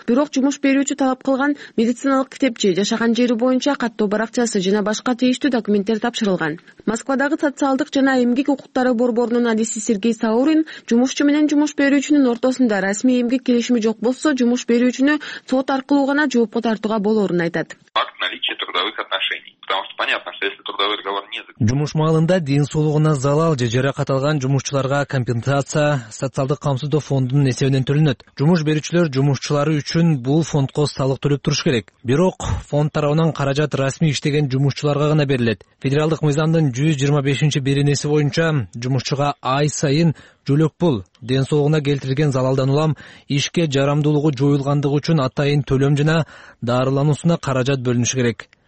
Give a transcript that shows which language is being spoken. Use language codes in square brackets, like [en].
[ky] Бирок жумуш берүүчү талап кылган медициналык китепчи, жашаган жери боюнча каттоо баракчасы жана башка тийиштүү документтер тапшырылган. Москвадагы социалдык жана эмгек укуктары борборунун адиси Сергей Саурин жумушчу менен жумуш берүүчүнүн ортосунда расмий эмгек келишими жок болсо, жумуш берүүчүнү сот аркылуу гана жоопко тартууга болорун айтат. [ru] Факт наличия трудовых отношений. Потому что понятно, что если трудовой договор не заключен. [ky] Жумуш маалында ден соолугуна залал же жаракат алган жумушчуларга компенсация социалдык камсыздоо фондунун эсебинен төлөнөт. Жумуш берүүчүлөр жумушчулары үчүн бул фондко салык төлөп туруш керек. Бирок фонд тарабынан каражат расмий иштеген жумушчуларга гана берилет. Федералдык мыйзамдын 125-беренеси боюнча жумушчуга ай сайын жөлөк пул, ден соолугуна келтирилген залалдан улам ишке жарамдуулугу жоюлгандыгы үчүн атайын төлөм жана дарылануусуна каражат бөлүнүшү керек.